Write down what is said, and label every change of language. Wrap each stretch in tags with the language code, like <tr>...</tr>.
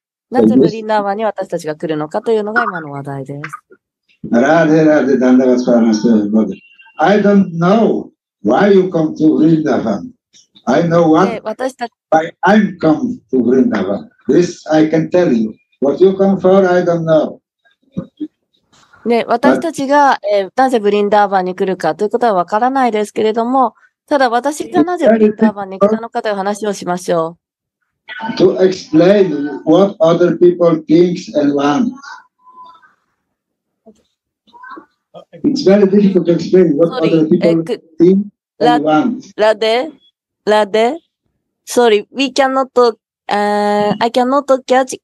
<ja>なぜブリンダーバーに私たちが来るのかというのが今の話題です。ラーデラーデダンダガスパラマスパラマス。</ja> <en>I don't know why you come to Vrindavan. I know what why I'm come to Vrindavan. This I can tell you. What you come for, I don't know.、</en> <ja>ね、私たちが、なぜブリンダーバンに来るかということはわからないですけれども、ただ私がなぜブリンダーバンに来たのかという話をしましょう。</ja> <en>To explain what other people think and want. It's very difficult to explain what、 Sorry. other people think and want. Rade, sorry, we cannot, I cannot catch.</en>